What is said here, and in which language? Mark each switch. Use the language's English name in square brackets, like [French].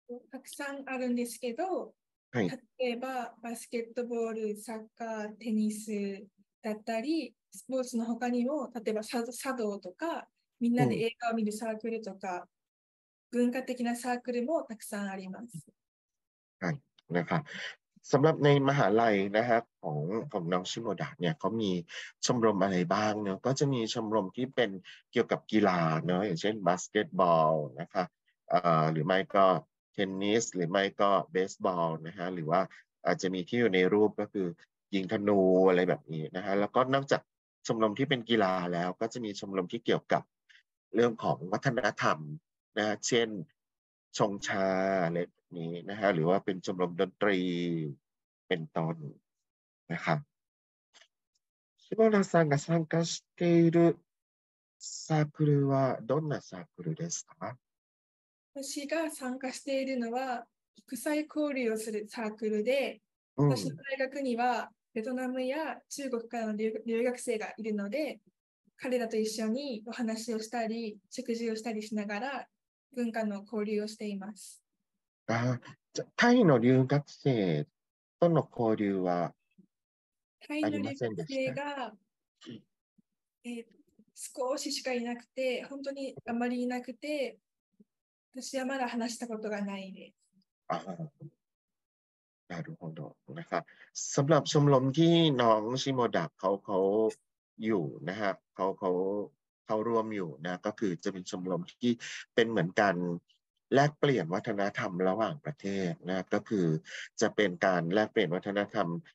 [Japanese] たくさんあるんですけど、はい、例えばバスケットボール、サッカー、テニスだったり、スポーツの他にも、例えば茶道とか、みんなで映画を見るサークルとか、文化的なサークルもたくさんあります。はい、なんか、 [Thai] สำหรับในมหาลัยนะฮะของน้องชิโมดะเนี่ยเขามีชมรมอะไรบ้างเนี่ยก็จะมีชมรมที่เป็นเกี่ยวกับกีฬาเนาะอย่างเช่นบาสเกตบอลนะคะ หรือไม่ก็เทนนิสหรือไม่ก็เบสบอลนะฮะหรือว่าอาจจะมีที่อยู่ในรูปก็คือยิงธนูอะไรแบบนี้นะฮะแล้วก็นอกจากชมรมที่เป็นกีฬาแล้วก็จะมีชมรมที่เกี่ยวกับเรื่องของวัฒนธรรมนะฮะเช่นชงชาอะไรนี้นะฮะหรือว่าเป็นชมรมดนตรีเป็นต้นนะครับ [Japanese] ชิโมดะさんが参加しているサークルはどんなサークルですか？私が参加しているのは国際交流をするサークルで、私の大学にはベトナムや中国からの留学生がいるので、彼らと一緒にお話をしたり、食事をしたりしながら文化の交流をしています。タイの留学生との交流はありませんでした。タイの留学生が、少ししかいなくて、本当にあまりいなくて、私はまだ話したことがないです。ああ、なるほどนะครับ。 [Thai] สำหรับชมรมที่น้องชิโมดะเขาอยู่นะครับเขาร่วมอยู่นะก็คือจะเป็นชมรมที่เป็นเหมือนกันแลกเปลี่ยนวัฒนธรรมระหว่างประเทศนะก็คือจะเป็นการแลกเปลี่ยนวัฒนธรรม